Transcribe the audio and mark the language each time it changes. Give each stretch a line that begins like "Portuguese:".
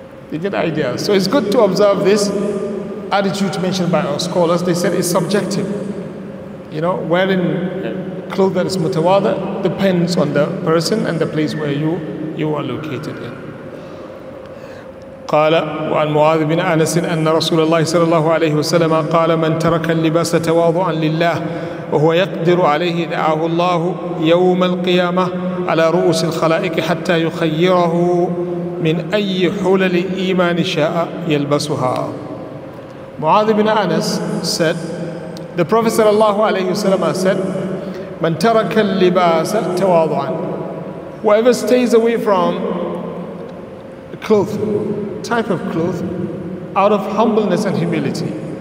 English: You get the idea. So it's good to observe this attitude mentioned by our scholars. They said it's subjective. You know, wearing clothes that is mutawada depends on the person and the place where you are located in.
Arabic: قال وعن معاذ بن أنس أن رسول الله صلى الله عليه وسلم قال من ترك اللباس تواضعا لله وهو يقدر عليه دعاه الله يوم القيامة على رؤوس الخلائق حتى يخيره من أي حلل إيمان شاء يلبسها.
English: معاذ بن أنس said, the Prophet sallallahu alayhi wa sallam said,
Arabic: من ترك اللباس تواضعا.
English: Whoever stays away from cloth, type of cloth, out of humbleness and humility.